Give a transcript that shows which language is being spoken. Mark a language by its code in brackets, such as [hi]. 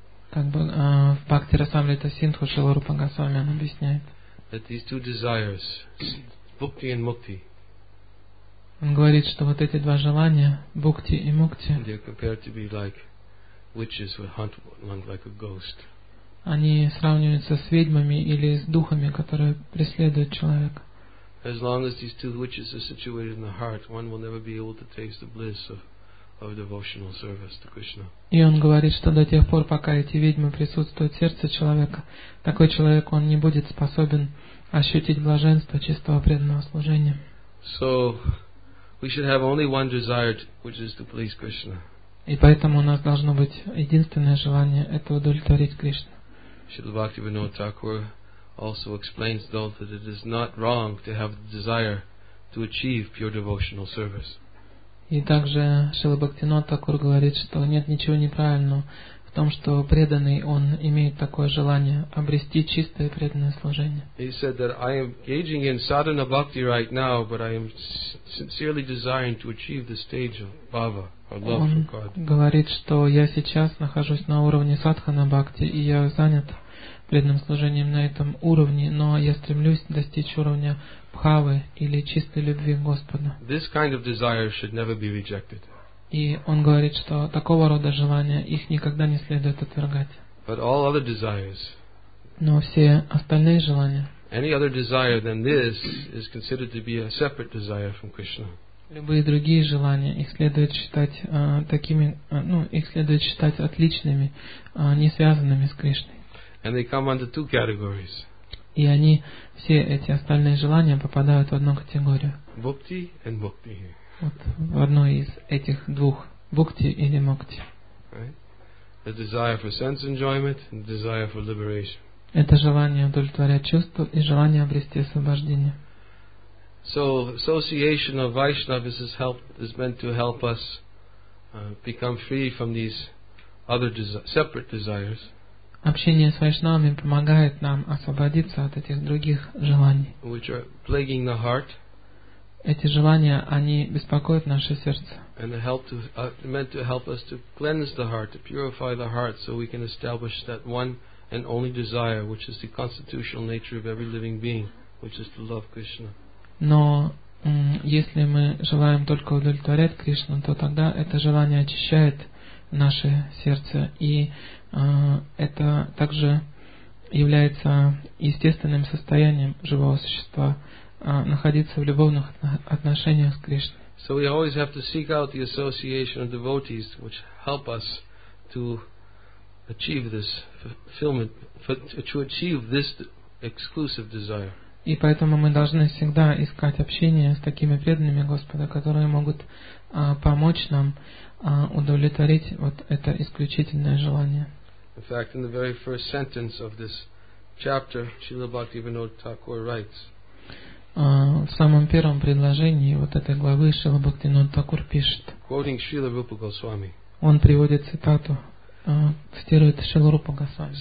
[ru] В Бхакти Расамрита Синдху Шрила Рупа Госвами он объясняет. [en] That these two desires, bhakti and mukti, [ru] он говорит, что вот эти два желания, бхакти и мукти, [en] they are compared to be like witches who hunt one like a ghost. [ru] Они сравниваются с ведьмами или с духами, которые преследуют человека. [en] As long as these two witches are situated in the heart, one will never be able to taste the bliss of devotional service to Krishna. [ru] И он говорит, что до тех пор, пока эти ведьмы присутствуют в сердце человека, такой человек он не будет способен ощутить блаженство чистого преданного служения. [en] So we should have only one desire, which is to please Krishna. [ru] И поэтому у нас должно быть единственное желание – это удовлетворить Кришну. [en] Srila Bhaktivinoda Thakur also explains, though, that it is not wrong to have the desire to achieve pure devotional service. [ru] И также Шрила Бхактивинода Такур говорит, что нет ничего неправильного в том, что преданный, он имеет такое желание обрести чистое преданное служение. [en] He said that I am engaging in sadhana bhakti right now, but I am sincerely desiring to achieve the stage of bhava. [ru] Он говорит, что я сейчас нахожусь на уровне садхана бхакти, и я занят преданным служением на этом уровне, но я стремлюсь достичь уровня бхавы или чистой любви к Господу. [en] This kind of desire should never be rejected. [ru] И он говорит, что такого рода желания, их никогда не следует отвергать. [en] But all other desires, [ru] но все остальные желания, [en] any other desire than this is considered to be a separate desire from Krishna. [ru] Любые другие желания, их следует считать такими, их следует считать отличными, не связанными с Кришной. [en] And they come under two categories. [ru] И они, все эти остальные желания, попадают в одну категорию. [en] Bhakti and mukti. [ru] Вот в одной из этих двух, bhakti или mukti. [en] Right? The desire for sense enjoyment and the desire for liberation. [ru] Это желание удовлетворять чувства и желание обрести освобождение. [en] So association of Vaishnavas has helped, is meant to help us become free from these other separate desires. [ru] Общение с вайшнавами помогает нам освободиться от этих других желаний. [en] Which are plaguing the heart. [ru] Эти желания, они беспокоят наше сердце. [en] And they help to meant to help us to cleanse the heart, to purify the heart, so we can establish that one and only desire, which is the constitutional nature of every living being, which is to love Krishna. [ru] Но если мы желаем только удовлетворять Кришну, то тогда это желание очищает наше сердце, и это также является естественным состоянием живого существа находиться в любовных отношениях с Кришной. [en] So we always have to seek out the association of devotees, which help us to achieve this fulfillment, to achieve this exclusive desire. [ru] И поэтому мы должны всегда искать общение с такими преданными Господа, которые могут помочь нам удовлетворить вот это исключительное желание. [en] In fact, in the very first sentence of this chapter, Srila Bhaktivinoda Thakur writes. [ru] В самом первом предложении вот этой главы Шрила Бхактивинода Такур пишет. [en] Quoting Srila Rupa Goswami. [ru] Он приводит цитату, цитирует Шрила Рупа Госвами.